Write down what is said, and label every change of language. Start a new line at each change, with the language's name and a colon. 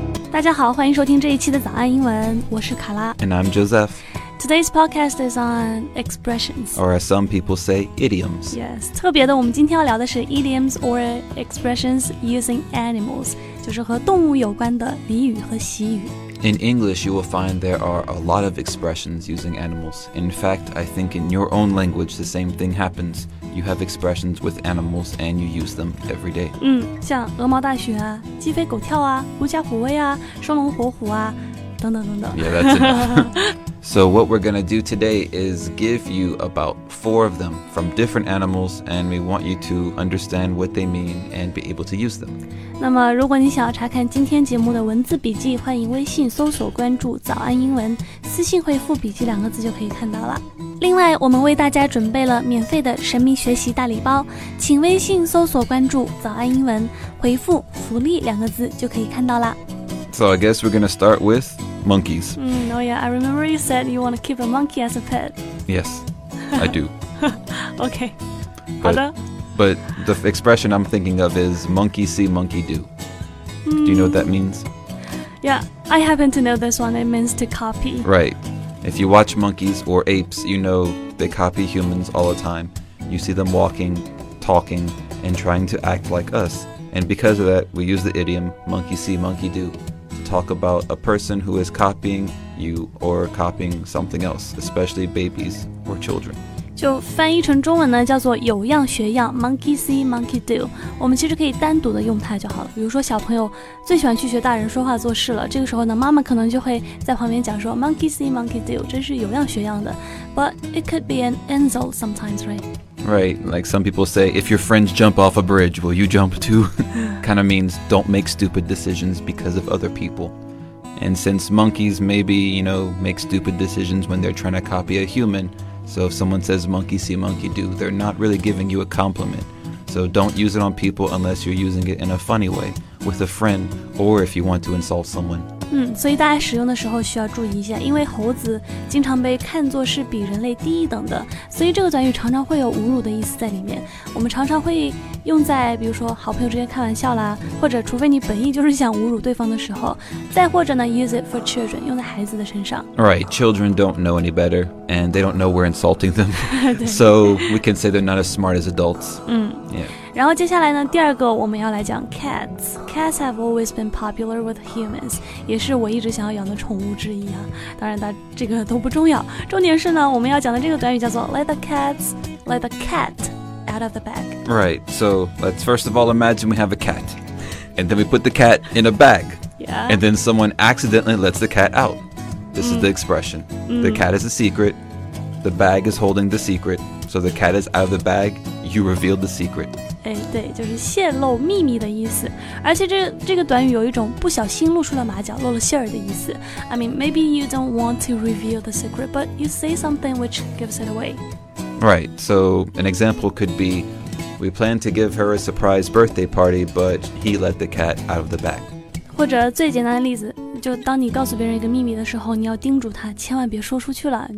Chinese: 大家好，欢迎收听这一期的早安英文，我是卡拉。
English: And I'm Joseph. Today's podcast is on expressions. Or as some people say, idioms.
Chinese: Yes, 特别的我们今天要聊的是
English: idioms or expressions using animals,
Chinese: 就是和动物有关的俚语和习语。
English: In English, you will find there are a lot of expressions using animals. In fact, I think in your own language, the same thing happens. You have expressions with animals and you use them every day.
Chinese: 像鹅毛大雪啊，鸡飞狗跳啊，狐假虎威啊，双龙活虎啊，等等等等。
English: Yeah, that's enough. So what we're going to do today is give you about 4 of them from different animals, and we want you to understand what they mean and be able to use them.
Chinese: 那么如果你想要查看今天节目的文字笔记，欢迎微信搜索关注早安英文，私信回复笔记两个字就可以看到了。另外我们为大家准备了免费的神秘学习大礼包，请微信搜索关注早安英文，回复福利两个字就可以看到了。
English: So I guess we're going to start withMonkeys. Oh yeah, I remember you said you want to keep a monkey as a pet. Yes, I do. Okay. But the expression I'm thinking of is monkey see, monkey do. Do you know what that means? Yeah, I happen to know this one. It means to copy. Right. If you watch monkeys or apes, you know they copy humans all the time. You see them walking, talking, and trying to act like us. And because of that, we use the idiom monkey see, monkey do. Talk about a person who is copying you or copying something else, especially babies or children.
Chinese: 就翻译成中文呢，叫做有样学样 ，
English: monkey see, monkey do。
Chinese: 我们其实可以单独的用它就好了。比如说小朋友最喜欢去学大人说话做事了，这个时候呢，妈妈可能就会在旁边讲说 ，
English: monkey see, monkey do，
Chinese: 真是有样学样的。
English: But it could be an insult sometimes, right? Right, like some people say, if your friends jump off a bridge, will you jump too? Kind of means don't make stupid decisions because of other people. And since monkeys maybe, you know, make stupid decisions when they're trying to copy a human, so if someone says monkey see, monkey do, they're not really giving you a compliment. So don't use it on people unless you're using it in a funny way, with a friend, or if you want to insult someone.
Chinese: 所以大家使用的时候需要注意一下，因为猴子经常被看作是比人类低一等的，所以这个短语常常会有侮辱的意思在里面。我们常常会用在比如说好朋友之间开玩笑啦，或者除非你本意就是想侮辱对方的时候，再或者呢
English: use it for children，
Chinese: 用在孩子的身上。
English: Right, children don't know any better and they don't know we're insulting them. So we can say they're not as smart as adults.
Chinese: 然后接下来呢，第二个我们要来讲 cats.
English: Cats have always been popular with humans.
Chinese: 也是我一直想要养的宠物之一啊。当然它这个都不重要。重点是呢，我们要讲的这个短语叫做
English: let the cat out of the bag. Right, so let's first of all imagine we have a cat. And then we put the cat in a bag. Yeah. And then someone accidentally lets the cat out. This is the expression. The cat is a secret. The bag is holding the secret. So the cat is out of the bag. You revealed the secret.
Chinese: 对，就是泄露秘密的意思。而且这个短语有一种不小心露出了马脚、露了馅儿的意思。
English: I mean, maybe you don't want to reveal the secret, but you say something which gives it away. Right. So an example could be, we plan to give her a surprise birthday party, but he let the cat out of the bag.
Chinese: 或者最简单的例子，就当你告诉别人一个秘密的时候，你要叮嘱他千万别说出去了。